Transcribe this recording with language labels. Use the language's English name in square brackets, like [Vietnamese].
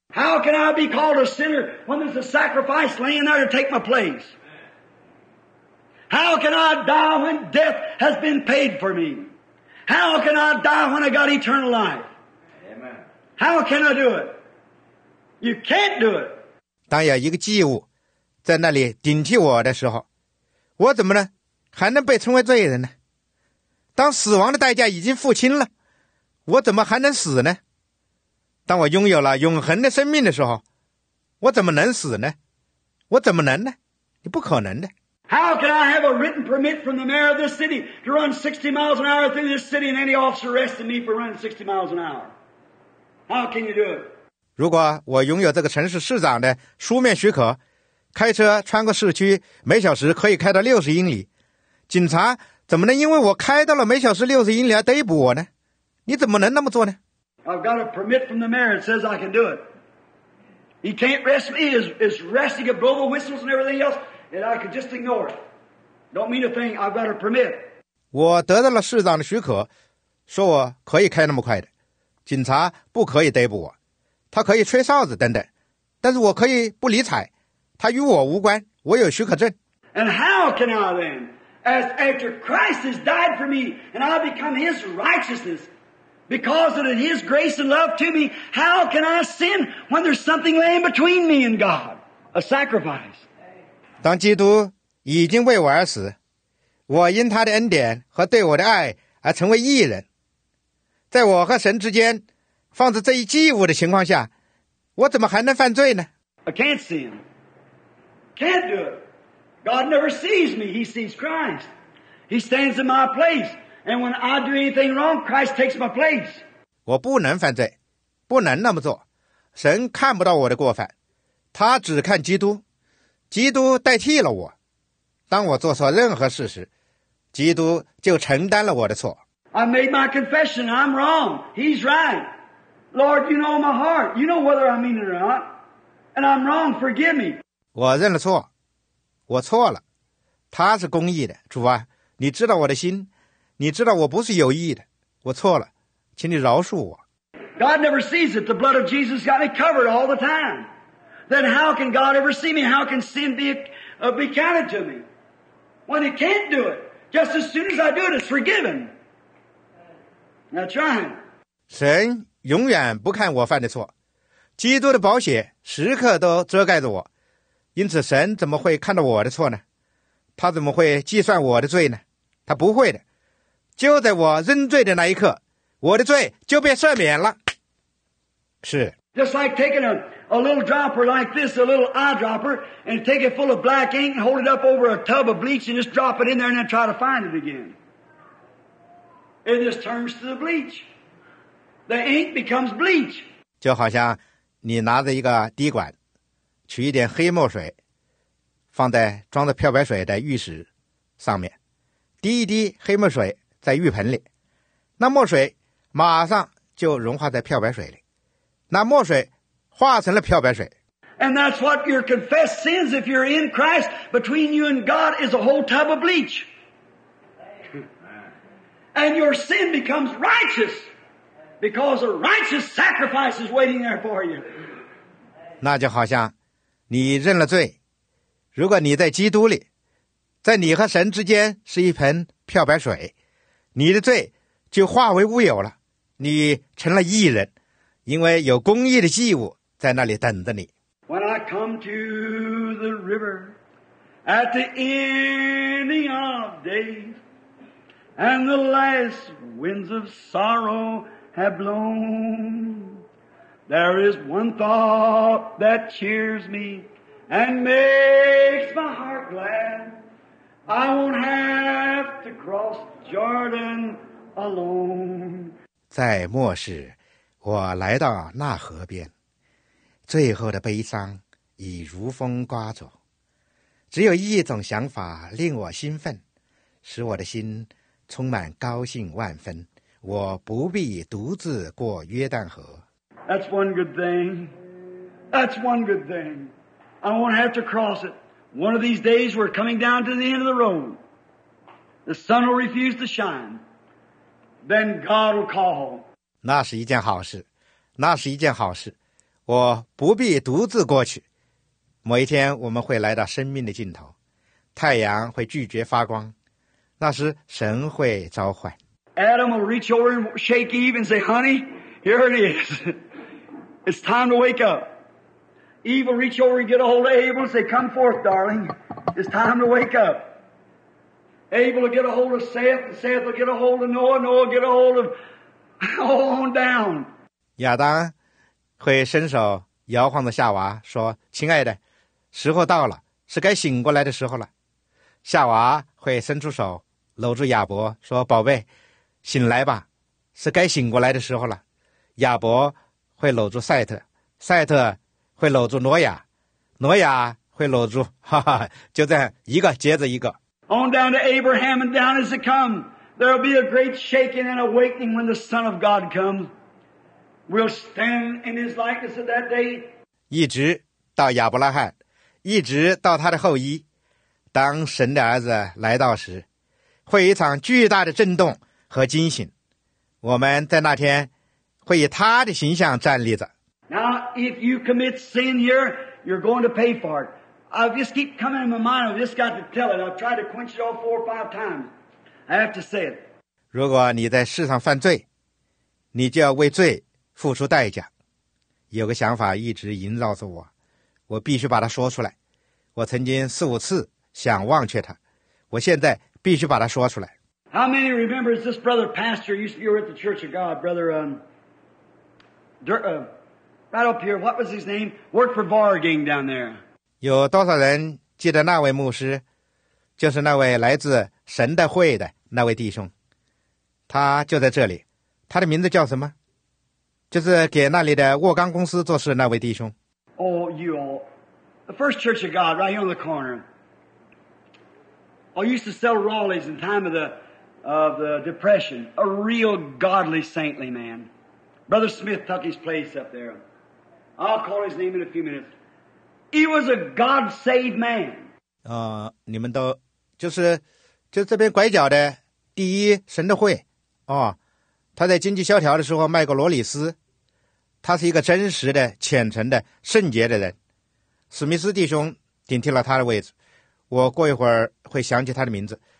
[English] How can I be called a sinner when there's a sacrifice laying there to take my place? How can I die when death has been paid for me? How can I die when I got eternal life? How can I do it? You can't do it. [Chinese] 当有一个祭物在那里顶替我的时候，我怎么呢？还能被称为罪人呢？当死亡的代价已经付清了，我怎么还能死呢？当我拥有了永恒的生命的时候，我怎么能死呢？我怎么能呢？你不可能的。 [English] How can I have a written permit from the mayor of this city to run 60 miles an hour through this city and any officer arresting me for running 60 miles an hour? How can you do it? [Chinese] 如果我拥有这个城市市长的书面许可，开车穿过市区，每小时可以开到60英里，警察怎么能因为我开到了每小时60英里而逮捕我呢？你怎么能那么做呢？ [English] I've got a permit from the mayor that says I can do it. He can't arrest me. It's resting to blow the whistles and everything else, and I can just ignore it. Don't mean a thing. I've got a permit. [Chinese] 我得到了市长的许可，说我可以开那么快的。警察不可以逮捕我，他可以吹哨子等等，但是我可以不理睬，他与我无关，我有许可证。 [English] And how can I then, as after Christ has died for me, and I become his righteousness, because of his grace and love to me, how can I sin when there's something laying between me and God, a sacrifice? [Chinese] 当基督已经为我而死，我因他的恩典和对我的爱而成为义人。在我和神之间放着这一祭物的情况下，我怎么还能犯罪呢？ [English] I can't sin. Can't do it. God never sees me. He sees Christ. He stands in my place. And when I do anything wrong, Christ takes my place. [Chinese] 我不能犯罪，不能那么做。神看不到我的过犯，他只看基督，基督代替了我。当我做错任何事时，基督就承担了我的错。 [English] I made my confession. I'm wrong. He's right. Lord, you know my heart. You know whether I mean it or not. And I'm wrong. Forgive me. [Chinese] 我认了错，我错了。他是公义的，主啊，你知道我的心，你知道我不是有意的，我错了，请你饶恕我。 [English] God never sees it. The blood of Jesus got me covered all the time. Then how can God ever see me? How can sin be counted to me? When he can't do it, just as soon as I do it, it's forgiven. [Chinese] 神永远不看我犯的错，基督的宝血时刻都遮盖着我，因此神怎么会看到我的错呢？他怎么会计算我的罪呢？他不会的。就在我认罪的那一刻，我的罪就被赦免了。是。 [English] Just like taking a little dropper like this, a little eyedropper, and take it full of black ink and hold it up over a tub of bleach and just drop it in there and then try to find it again. It just turns to the bleach. The ink becomes bleach. [Chinese] 就好像你拿着一个滴管，取一点黑墨水，放在装着漂白水的玉石上面，滴一滴黑墨水在玉盆里，那墨水马上就融化在漂白水里，那墨水化成了漂白水。 [English] And that's what your confessed sins, if you're in Christ, between you and God is a whole tub of bleach. And your sin becomes righteous because a righteous sacrifice is waiting there for you. [Chinese] 那就好像你认了罪，如果你在基督里，在你和神之间是一盆漂白水，你的罪就化为乌有了，你成了义人，因为有公义的祭物在那里等着你。 [English] When I come to the river at the ending of days, and the last winds of sorrow have blown, there is one thought that cheers me and makes my heart glad. I won't have to cross Jordan alone. [Chinese] 在末世，我来到那河边。最后的悲伤已如风刮走，只有一种想法令我兴奋，使我的心充满高兴万分，我不必独自过约旦河。 [English] That's one good thing. That's one good thing. I won't have to cross it. One of these days we're coming down to the end of the road. The sun will refuse to shine. Then God will call. [Chinese] 那是一件好事，那是一件好事，我不必独自过去。某一天我们会来到生命的尽头，太阳会拒绝发光，那时神会召唤。 [English] Adam will reach over and shake Eve and say, Honey, here it is. It's time to wake up. Eve will reach over and get a hold of Abel and say, Come forth, darling. It's time to wake up. Abel will get a hold of Seth, and Seth will get a hold of Noah, Noah will get a hold of all on down. [Chinese] 亚当会伸手摇晃着夏娃说，亲爱的，时候到了，是该醒过来的时候了。夏娃会伸出手搂住亚伯说，宝贝，醒来吧，是该醒过来的时候了。亚伯会搂住赛特，赛特会搂住挪亚，挪亚会搂住哈哈，就这样一个接着一个。 [English] On down to Abraham and down as it come, there will be a great shaking and awakening when the Son of God comesWill stand in his likeness of that day. [Chinese] 一直到亚伯拉罕，一直到他的后裔，当神的儿子来到时，会一场巨大的震动和惊醒。我们在那天会以他的形象站立着。 [English] Now, if you commit sin here, you're going to pay for it. I just keep coming in my mind. I've just got to tell it. I've tried to quench it all four or five times. I have to say it. [Chinese] 如果你在世上犯罪，你就要为罪付出代价。有个想法一直萦绕着我，我必须把它说出来。我曾经四五次想忘却它，我现在必须把它说出来。 [English] How many remember this brother pastor? You were at the Church of God, brother. Right up here. What was his name? Worked for Vargang down there. [Chinese] 有多少人记得那位牧师？就是那位来自神的会的那位弟兄，他就在这里。他的名字叫什么？就是给那里的沃钢公司做事那位弟兄。 [English] Oh, you all. The First Church of God, right here on the corner. I used to sell Raleigh's in time of the Depression. A real godly, saintly man. Brother Smith took his place up there. I'll call his name in a few minutes. He was a God-saved man. [Chinese] 你们都就这边拐角的第一神的会哦。他在经济萧条的时候卖过罗里斯，他是一个真实的、虔诚的、圣洁的人。史密斯弟兄顶替了他的位置，我过一会儿会想起他的名字。